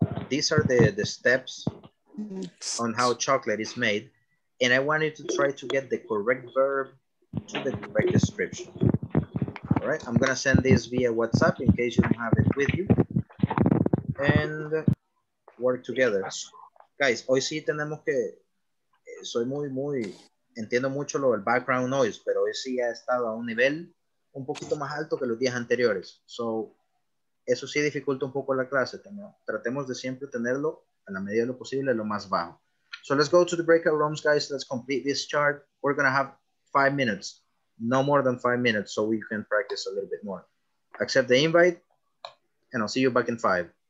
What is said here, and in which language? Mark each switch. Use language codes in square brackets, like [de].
[en] These are the steps on how chocolate is made. And I wanted to try to get the correct verb to the correct description. All right, I'm gonna send this via WhatsApp in case you don't have it with you. And work together. [es] Guys, hoy sí tenemos que, soy muy, muy, entiendo mucho lo del [en] background noise, [es] pero hoy sí ha estado a un nivel un poquito más alto que los días anteriores. [en] So, [es] eso sí dificulta un poco la clase. Tratemos de siempre tenerlo a la medida de lo posible, lo más bajo. [en] So, let's go to the breakout rooms, guys. Let's complete this chart. We're going to have 5 minutes, no more than 5 minutes, so we can practice a little bit more. Accept the invite, and I'll see you back in 5.